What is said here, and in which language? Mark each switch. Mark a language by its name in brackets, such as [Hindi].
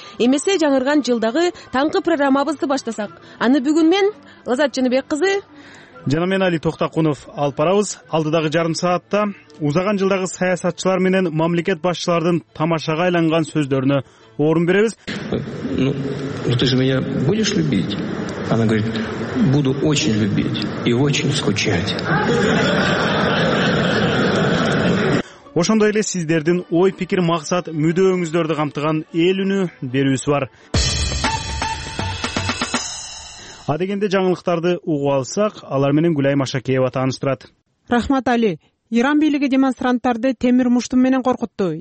[Kyrgyz] Эмесе жаңырган жылдагы таңкы программабызды баштасак, аны бүгүн мен Лазат Жыныбек кызы жана мен Али Токтокунов алып барабыз. Алдыдагы жарым саатта узаган жылдагы саясатчылар менен мамлекет башчылардын тамашага айланган сөздөрүнө орун беребиз. [Russian] Ну, ты же меня будешь любить? Она говорит: буду очень любить и очень скучать. [Kyrgyz] Ошондой эле сиздердин ой, пикир, максат, мүдөөңүздөрдү камтыган эл үнү берүүсү бар. Адегенде жаңылыктарды угуп алсак, алар менен Гүлайым Ашакеева тааныштырат. Рахмат Али. Иран бийлиги демонстранттарды темир муштум менен коркутту.